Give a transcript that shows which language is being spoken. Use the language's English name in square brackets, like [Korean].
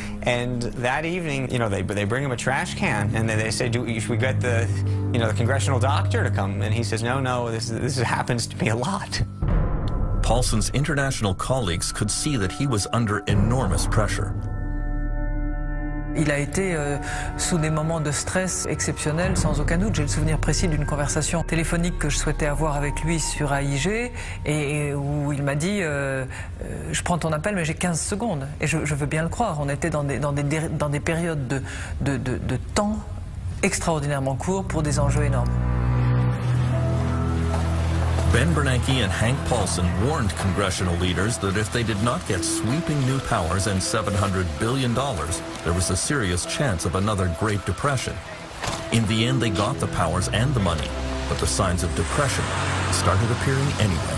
[English] And that evening, you know, they bring him a trash can. And they say, should we get the congressional doctor to come? And he says, no, this happens to me a lot. Paulson's international colleagues could see that he was under enormous pressure. [French] Il a été sous des moments de stress exceptionnels, sans aucun doute. J'ai le souvenir précis d'une conversation téléphonique que je souhaitais avoir avec lui sur AIG et où il m'a dit « Je prends ton appel, mais j'ai 15 secondes. » Et je veux bien le croire. On était dans des périodes de temps extraordinairement courts pour des enjeux énormes. [English] Ben Bernanke and Hank Paulson warned congressional leaders that if they did not get sweeping new powers and $700 billion, there was a serious chance of another Great Depression. In the end, they got the powers and the money, but the signs of depression started appearing anyway.